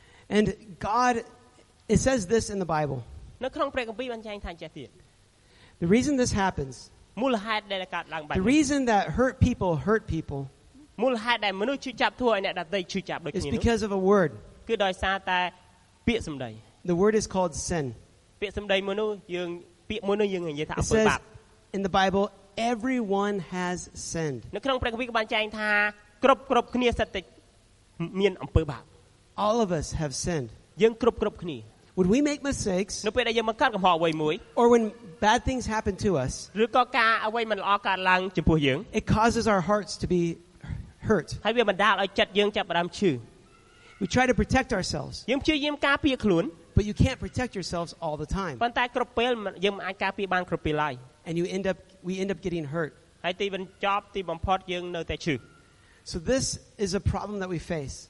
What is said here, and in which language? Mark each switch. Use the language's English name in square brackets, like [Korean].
[English] And God, it says this in the Bible. [Khmer] នៅក្នុងព្រះគម្ពីរបានចែងថាចេះទៀត [English] The reason this happens, [Khmer] មូលហេតុដែលកើតឡើងបែ [English] ប The reason that hurt people hurt people, [Khmer] មូលហេតុដែលមនុស្សឈឺចាប់ធ្វើឲ្យអ្នកដទៃឈឺចាប់ដូចគ្នា [English] It's because of a word. [Khmer] គឺដោយសារតែពាក្យសម្ដី [English] The word is called sin. [Khmer] ពាក្យសម្ដីមនុស្សយើងពាក្យមួយនោះយើងនិយាយថាអំពើបាប [English] In the Bible, everyone has sinned. [Khmer] នៅក្នុងព្រះគម្ពីរបានចែងថាគ្រប់គ្នាសុទ្ធតែមានអំពើបាប [English] All of us have sinned. [Khmer] យើងគ្រប់គ្នា [English] When we make mistakes, [Khmer] នៅពេលដែលយើងមកកាត់កំហុសអ្វីមួយ [English] or when bad things happen to us, [Khmer] ឬក៏ការអ្វីមិនល្អកើតឡើងចំពោះយើង [English] it causes our hearts to be hurt. [Khmer] ហើយវាបណ្ដាលឲ្យចិត្តយើងចាប់អារម្មណ៍ឈឺ [English] We try to protect ourselves. [Khmer] យើងព្យាយាមការពារខ្លួន [English] but you can't protect yourselves all the time. [Khmer] ប៉ុន្តែគ្រប់ពេលយើងមិនអាចការពារបានគ្រប់ពេលឡើយ [English] And we end up getting hurt. [Khmer] ហើយទីបញ្ចប់ទីបំផុតយើងនៅតែឈឺ [English] So this is a problem that we face.